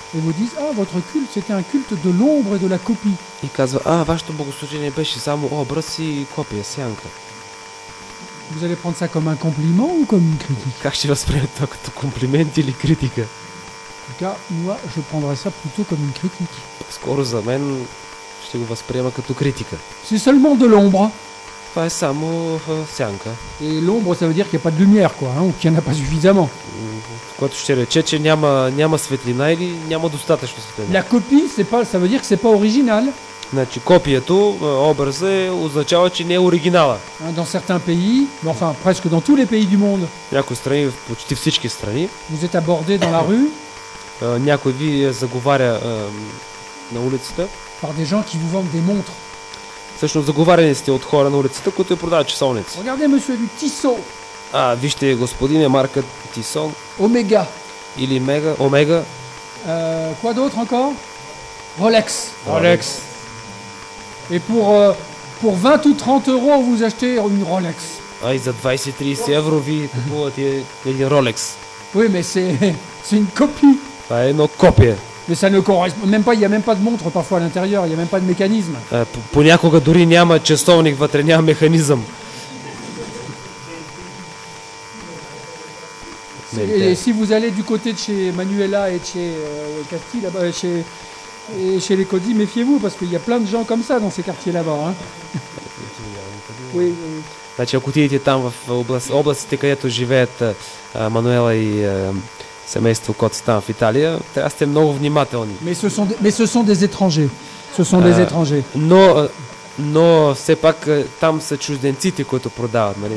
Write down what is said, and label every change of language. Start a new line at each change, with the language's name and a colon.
French: Et vous dites, ah, votre culte, c'était un culte de l'ombre et de la copie.
Bulgarian: И казва, а, вашето богослужение беше само образ и копия, сянка.
French: Vous allez prendre ça comme un compliment ou comme une critique?
Bulgarian: Как ще възприемете това като комплимент или критика?
French: En tout cas, moi, je prendrais ça plutôt comme une critique.
Bulgarian: Скоро за мен ще го възприема като критика.
French: C'est seulement de l'ombre.
Bulgarian: Това е само сянка.
French: Et l'ombre, ça veut dire qu'il n'y a pas de lumière, quoi, hein, ou qu'il n'y en a pas suffisamment.
Bulgarian: Което ще рече, че няма светлина или няма достатъчно светлина.
French: La copie, c'est pas, ça veut dire que c'est pas original.
Bulgarian: Значи копието, образът означава, че не е оригинала.
French: Dans certains pays, mais enfin presque dans tous les pays du monde.
Bulgarian: Някои страни, почти всички страни.
French: Vous êtes abordé dans la rue.
Bulgarian: Някой ви заговаря на улицата.
French: Par des gens qui vous vendent des montres.
Bulgarian: Всъщност заговаряни сте от хора на улицата, които ви продават часовници.
French: Regardez monsieur du Tissot.
Bulgarian: А, вижте господине марка Tissot.
French: Omega.
Bulgarian: Или Mega, Omega.
French: Quoi d'autre encore? Rolex.
Bulgarian: Rolex.
French: Et pour 20 ou 30 euros, vous achetez une Rolex.
Bulgarian: Ah, за 20-30 евро ви купувате един Rolex.
French: Oui, mais c'est une copie. Ah, une copie. Mais ça ne correspond même pas, il y a même pas de montre parfois à l'intérieur, il y a même pas de mécanisme.
Bulgarian: Понякога дори няма часовник вътре, няма механизъм.
French: Et si vous allez du côté de chez Manuela et chez Casti là-bas chez Et chez les Cody, méfiez-vous, parce qu'il y a plein de gens comme ça dans ces quartiers là-bas. Hein? Oui, oui. Si vous allez dans les où vivent Manuela et la famille Cody en Italie, vous devez être très attentif. Mais ce sont des étrangers. Ce sont des étrangers. Mais, c'est pas que
Bulgarian: там са чужденците, които продават, нали?